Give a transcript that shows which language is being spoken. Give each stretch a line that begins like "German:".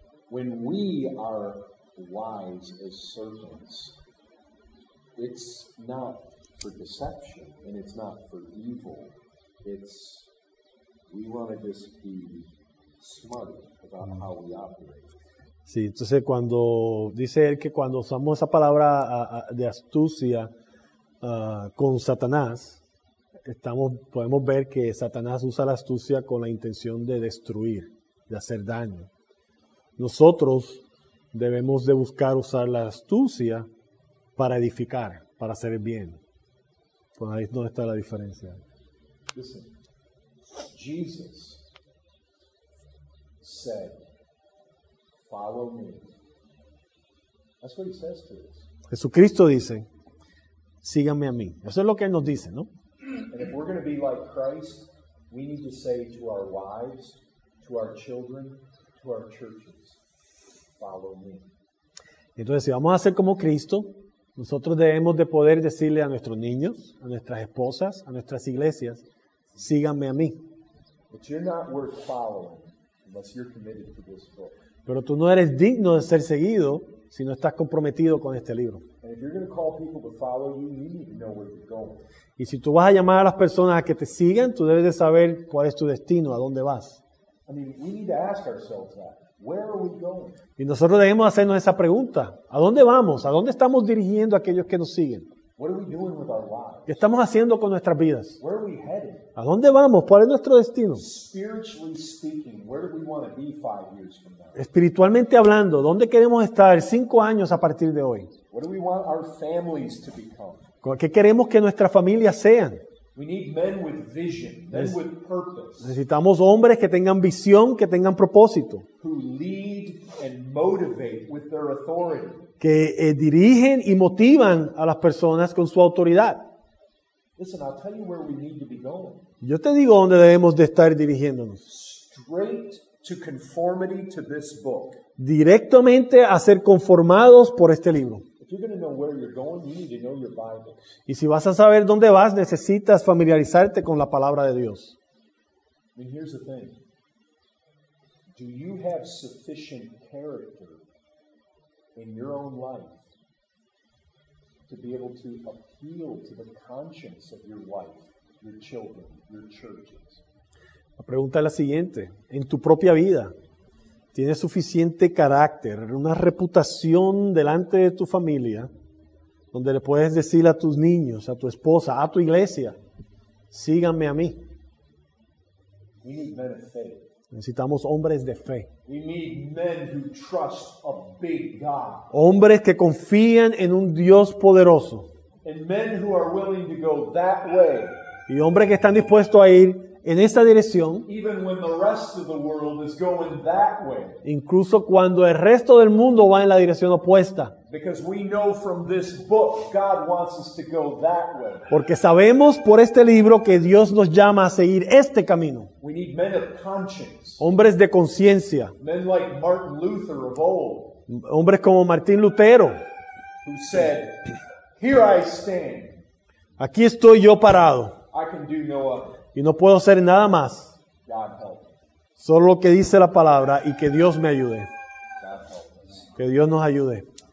English: When we are wise as serpents, it's not for deception and it's not for evil. It's, we want to just be smart about how we operate.
Spanish: Sí, entonces cuando dice él que cuando usamos esa palabra de astucia con Satanás, podemos ver que Satanás usa la astucia con la intención de destruir, de hacer daño. Nosotros debemos de buscar usar la astucia para edificar, para hacer el bien. Pues ahí es donde está la diferencia.
English: Listen, Jesus said, follow me. That's what he says to us.
Spanish: Jesucristo dice, síganme a mí. Eso es lo que él nos dice, ¿no?
English: And if we're going to be like Christ, we need to say to our wives, to our children, to our churches, follow me.
Spanish: Entonces, si vamos a ser como Cristo, nosotros debemos de poder decirle a nuestros niños, a nuestras esposas, a nuestras iglesias, síganme a mí.
English: But you're not worth following unless you're committed to this book.
Spanish: Pero tú no eres digno de ser seguido si no estás comprometido con este libro.
English: And if you're going to call people to follow you, you need to know where you're going.
Spanish: Y si tú vas a llamar a las personas a que te sigan, tú debes de saber cuál es tu destino, a dónde vas.
English: I mean, we need to ask ourselves that. Where are we going?
Spanish: Y nosotros debemos hacernos esa pregunta. ¿A dónde vamos? ¿A dónde estamos dirigiendo a aquellos que nos siguen?
English: What are we doing with our lives?
Spanish: ¿Qué estamos haciendo con nuestras vidas?
English: Where are we headed?
Spanish: ¿A dónde vamos? ¿Cuál es nuestro destino?
English: Spiritually speaking, where do we want to be 5 years from now?
Spanish: Espiritualmente hablando, ¿dónde queremos estar 5 años a partir de hoy?
English: What do we want our families to become?
Spanish: ¿Qué queremos que nuestras familias sean?
English: We need men with vision, men with purpose.
Spanish: Necesitamos hombres que tengan visión, que tengan propósito.
English: Who lead and motivate with their authority.
Spanish: Que dirigen y motivan a las personas con su autoridad.
English: Listen, I'll tell you where we need to be going.
Spanish: Yo te digo dónde debemos de estar dirigiéndonos.
English: Straight to conformity to this book.
Spanish: Directamente a ser conformados por este libro.
English: If you're going to know where you're going, you need to know your Bible.
Spanish: Y si vas a saber dónde vas, necesitas familiarizarte con la palabra de Dios.
English: And here's the thing. Do you have sufficient character in your own life to be able to appeal to the conscience of your wife, your children, your churches?
Spanish: La pregunta es la siguiente. En tu propia vida, ¿tienes suficiente carácter, una reputación delante de tu familia, donde le puedes decir a tus niños, a tu esposa, a tu iglesia, síganme a mí?
English: We need men of faith.
Spanish: Necesitamos hombres de fe.
English: We need men who trust a big God.
Spanish: Hombres que confían en un Dios poderoso.
English: And men who are willing to go that way.
Spanish: Y hombres que están dispuestos a ir en esa dirección.
English: Even when the rest of the world is going that way.
Spanish: Incluso cuando el resto del mundo va en la dirección opuesta.
English: Because we know from this book God wants us to go that way.
Spanish: Porque sabemos por este libro que Dios nos llama a seguir este camino.
English: We need men of conscience.
Spanish: Hombres de conciencia.
English: Men like Martin Luther of old.
Spanish: Hombres como Martín Lutero.
English: Who said, "Here I stand."
Spanish: Aquí estoy yo parado.
English: I can do no other.
Spanish: Y no puedo hacer nada más.
English: God help.
Spanish: Solo lo que dice la palabra y que Dios me ayude. Que Dios nos ayude.